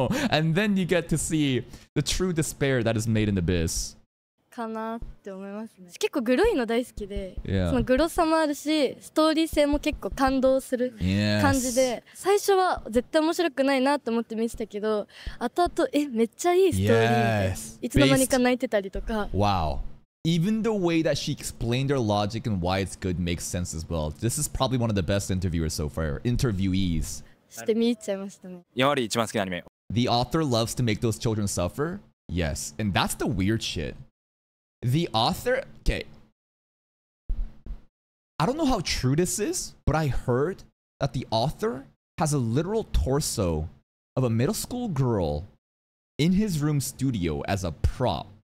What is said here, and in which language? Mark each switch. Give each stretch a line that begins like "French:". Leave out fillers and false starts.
English: And then you get to see the true despair that is Made in the Abyss.
Japanese: かなって思いますね。結構グロいの大好きで、 yeah. そのグロさもあるし、ストーリー性も結構感動する感じで、 yes. 最初は絶対面白くないなと思って見てたけど、後々、めっちゃいいストーリー、 yes. いつの間にか泣いてたりとか。 Wow.
English: Even the way that she explained her logic and why it's good makes sense as well. This is probably one of the best interviewers so far. Interviewees.
Japanese: して見ちゃいましたね。やはり一番好きなアニメ。
English: The author loves to make those children suffer? Yes. And that's the weird shit.The author, okay. I don't know how true this is, but I heard that the author has a literal torso of a middle school girl in his room studio as a prop.